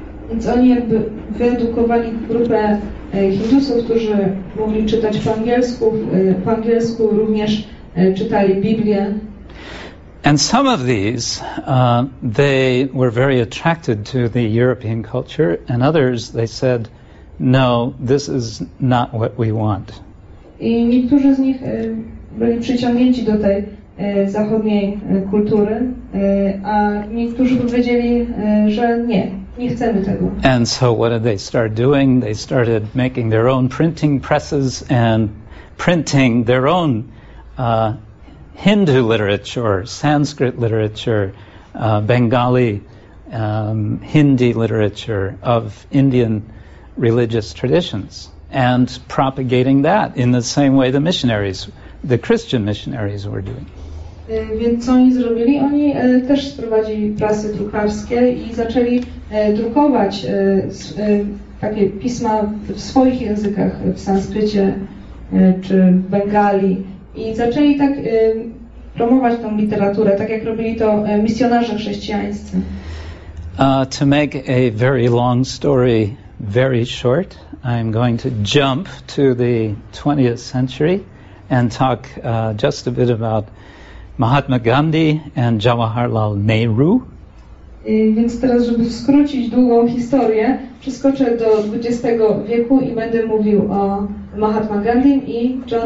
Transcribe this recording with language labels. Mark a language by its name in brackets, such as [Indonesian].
[Polish] Więc oni jakby wyedukowali grupę Hindusów, którzy mogli czytać po angielsku również czytali Biblię. [English] And some of these, they were very attracted to the European culture, and others, they said, no, this is not what we want. [Polish] I niektórzy z nich byli przyciągnięci do tej zachodniej kultury, a niektórzy powiedzieli, że nie chcemy tego. [English] And so what did they start doing? They started making their own printing presses and printing their own Hindu literature, Sanskrit literature, Bengali, Hindi literature of Indian religious traditions, and propagating that in the same way the Christian missionaries were doing. [Polish] Więc co oni zrobili? Oni też sprowadzili prasy drukarskie i zaczęli drukować takie pisma w swoich językach, w sanskrycie czy Bengali, i zaczęli tak promować tą literaturę, tak jak robili to misjonarze chrześcijańscy. [English] To make a very long story very short, I'm going to jump to the 20th century and talk just a bit about Mahatma Gandhi and Jawaharlal Nehru. [Polish] Więc teraz, żeby skrócić długą historię, przeskoczę do XX wieku i będę mówił o Mahatma Gandhi i